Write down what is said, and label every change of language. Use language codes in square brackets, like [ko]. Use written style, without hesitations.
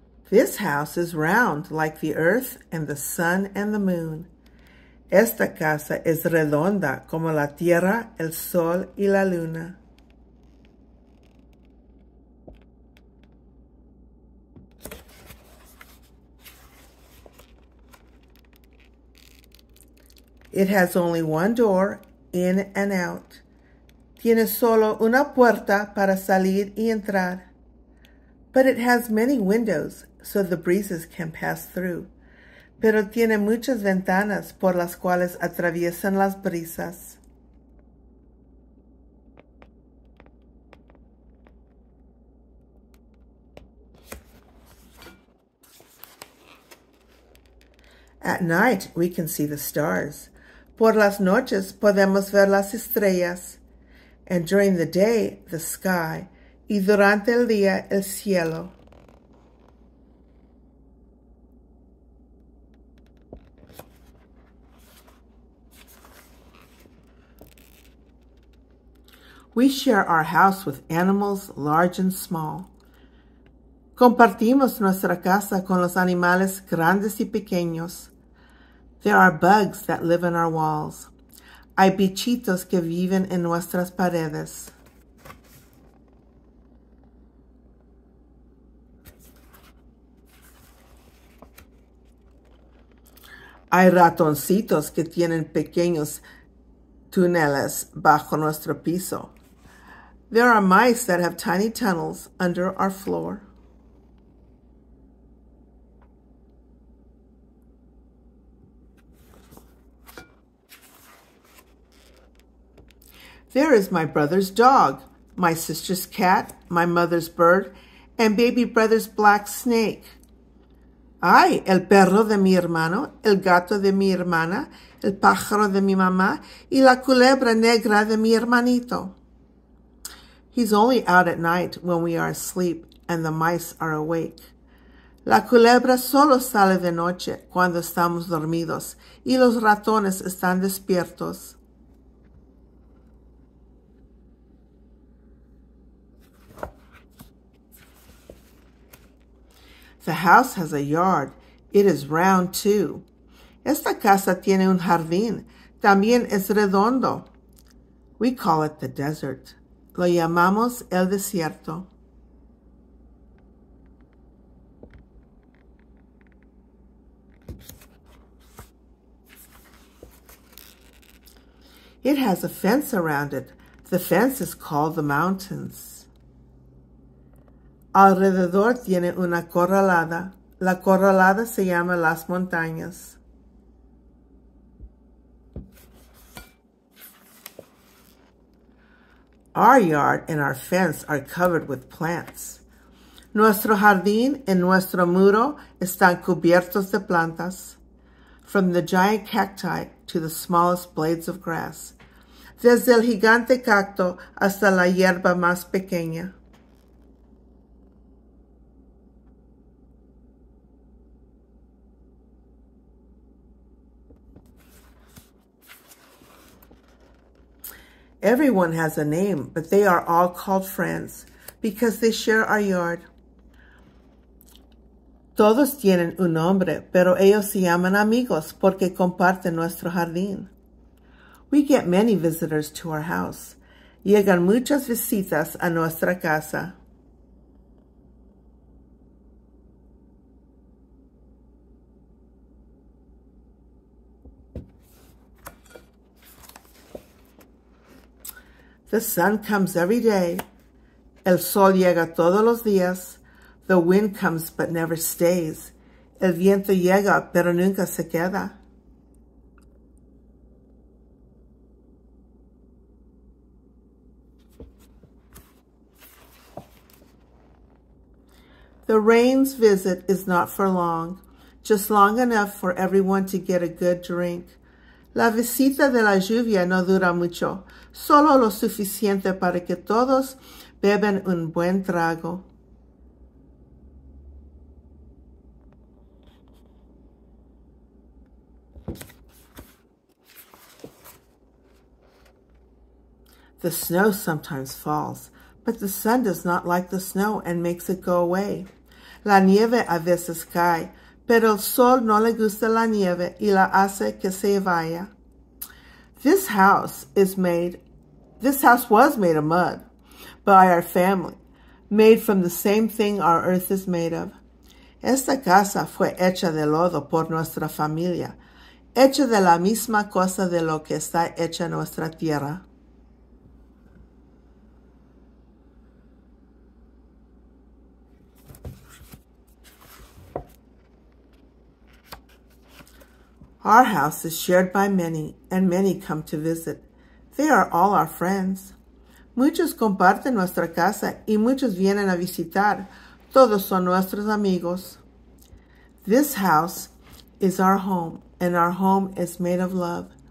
[en] This house is round like the earth and the sun and the moon. [es] Esta casa es redonda como la tierra, el sol y la luna. [en] It has only one door, in and out. [es] Tiene solo una puerta para salir y entrar. [en] But it has many windows, so the breezes can pass through. [es] Pero tiene muchas ventanas por las cuales atraviesan las brisas. [en] At night, we can see the stars. [es] Por las noches podemos ver las estrellas, [en] and during the day, the sky, [es] y durante el día, el cielo. [en] We share our house with animals, large and small. [es] Compartimos nuestra casa con los animales grandes y pequeños. [en] There are bugs that live in our walls. [es] Hay bichitos que viven en nuestras paredes. Hay ratoncitos que tienen pequeños túneles bajo nuestro piso. [en] There are mice that have tiny tunnels under our floor. There is my brother's dog, my sister's cat, my mother's bird, and baby brother's black snake. [es] Ay, el perro de mi hermano, el gato de mi hermana, el pájaro de mi mamá, y la culebra negra de mi hermanito. [en] He's only out at night when we are asleep and the mice are awake. [es] La culebra solo sale de noche cuando estamos dormidos y los ratones están despiertos. [en] The house has a yard. It is round too. [es] Esta casa tiene un jardín. También es redondo. [en] We call it the desert. [es] Lo llamamos el desierto. [en] It has a fence around it. The fence is called the mountains. [es] Alrededor tiene una corralada. La corralada se llama las montañas. [en] Our yard and our fence are covered with plants. [es] Nuestro jardín y nuestro muro están cubiertos de plantas. [en] From the giant cacti to the smallest blades of grass. [es] Desde el gigante cacto hasta la hierba más pequeña. [en] Everyone has a name, but they are all called friends because they share our yard. [es] Todos tienen un nombre, pero ellos se llaman amigos porque comparten nuestro jardín. [en] We get many visitors to our house. [es] Llegan muchas visitas a nuestra casa. [en] The sun comes every day. [es] El sol llega todos los días. [en] The wind comes but never stays. [es] El viento llega pero nunca se queda. [en] The rain's visit is not for long, just long enough for everyone to get a good drink. [es] La visita de la lluvia no dura mucho, solo lo suficiente para que todos beban un buen trago. [en] The snow sometimes falls, but the sun does not like the snow and makes it go away. [es] La nieve a veces cae, pero el sol no le gusta la nieve y la hace que se vaya. [en] This house was made of mud by our family, made from the same thing our earth is made of. [es] Esta casa fue hecha de lodo por nuestra familia, hecha de la misma cosa de lo que está hecha nuestra tierra. [en] Our house is shared by many, and many come to visit. They are all our friends. [es] Muchos comparten nuestra casa, y muchos vienen a visitar. Todos son nuestros amigos. [en] This house is our home, and our home is made of love.